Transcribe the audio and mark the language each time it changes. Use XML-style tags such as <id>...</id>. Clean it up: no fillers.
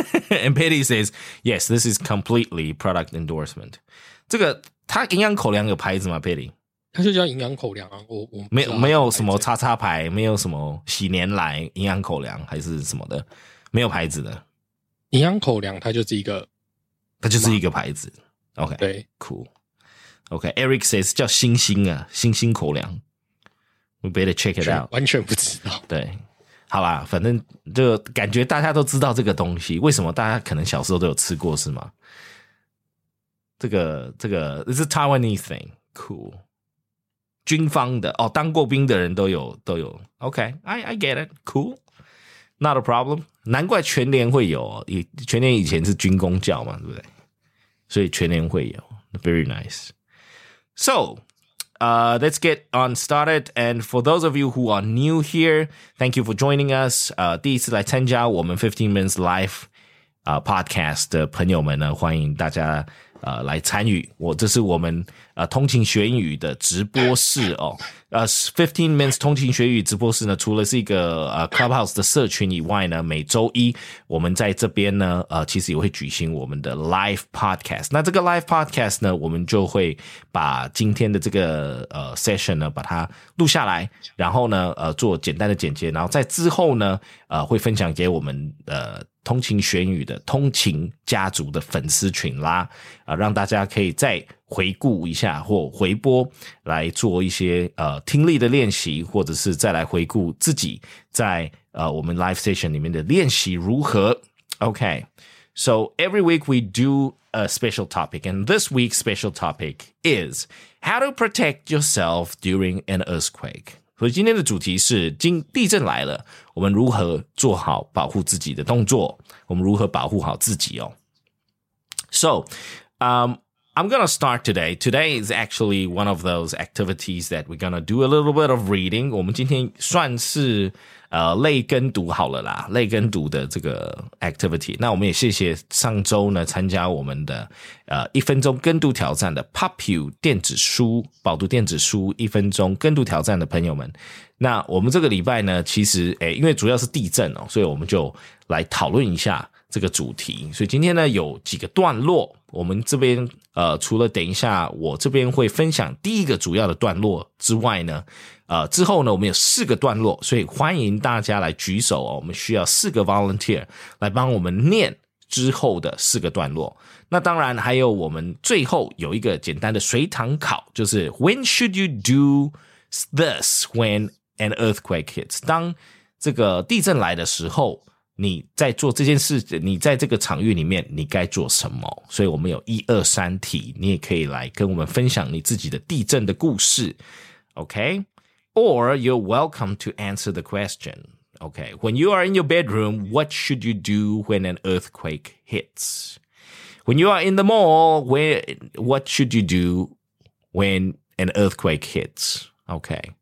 <en>and Patty says, yes, this is completely product endorsement.</en> <zh>这个它营养口粮有牌子吗 Patty? 它就叫营养口粮啊我没有什么叉叉牌没有什么喜年来营养口粮还是什么的没有牌子的。营养口粮它就是一个。它就是一个牌子。OK, 对</zh> <en>cool. OK, Eric says,</en> <zh>叫星星啊星星口粮。</zh> <en>We better check it out.</en> <zh>完全不知道。对。好啦反正就感觉大家都知道这个东西为什么大家可能小时候都有吃过是吗这个</zh> <en>It's a Taiwanese thing</en> <zh>Cool 军方的哦当过兵的人都有</zh> <en>OK I get it Cool Not a problem</en> <zh>难怪全联会有全联以前是军工教嘛对不对所以全联会有</zh> <en>Very nice SoLet's get on started. And for those of you who are new here, thank you for joining us.</en> <zh>第一次来参加我们15 Minutes Live podcast 的朋友们呢，欢迎大家来参与。这是我们通勤学语的直播室哦。 15 Minutes 通勤学语直播室呢，除了是一个Clubhouse 的社群以外呢，每周一我们在这边呢，其实也会举行我们的 live podcast。那这个 live podcast 呢，我们就会把今天的这个session 呢，把它录下来，然后呢，做简单的剪接，然后在之后呢，会分享给我们通勤学语的通勤家族的粉丝群啦，让大家可以再回顾一下或回播来做一些听力的练习，或者是再来回顾自己在我们 live session 里面的练习如何。</zh> <en>Okay, so every week we do a special topic, and this week's special topic is how to protect yourself during an earthquake.</en> <zh>所以今天的主题是今地震来了我们如何做好保护自己的动作我们如何保护好自己哦。</zh> <en>So, I'm gonna start today. Today is actually one of those activities that we're gonna do a little bit of reading.</en> <zh>我们今天算是类跟读好了啦类跟读的这个 activity. 那我们也谢谢上周呢参加我们的一分钟跟读挑战的 Popu 电子书饱读电子书一分钟跟读挑战的朋友们。那我们这个礼拜呢其实因为主要是地震哦所以我们就来讨论一下这个主题。所以今天呢有几个段落，我们这边除了等一下我这边会分享第一个主要的段落之外呢，之后呢我们有四个段落，所以欢迎大家来举手哦，我们需要四个 volunteer 来帮我们念之后的四个段落。那当然还有我们最后有一个简单的随堂考，就是</zh> <en>When should you do this when an earthquake hits?</en> <zh>当这个地震来的时候，你在做这件事，你在这个场域里面你该做什么？所以我们有一二三题，你也可以来跟我们分享你自己的地震的故事。</zh> <en>OK? Or you're welcome to answer the question. OK? When you are in your bedroom, what should you do when an earthquake hits? When you are in the mall, what should you do when an earthquake hits? OK?</en>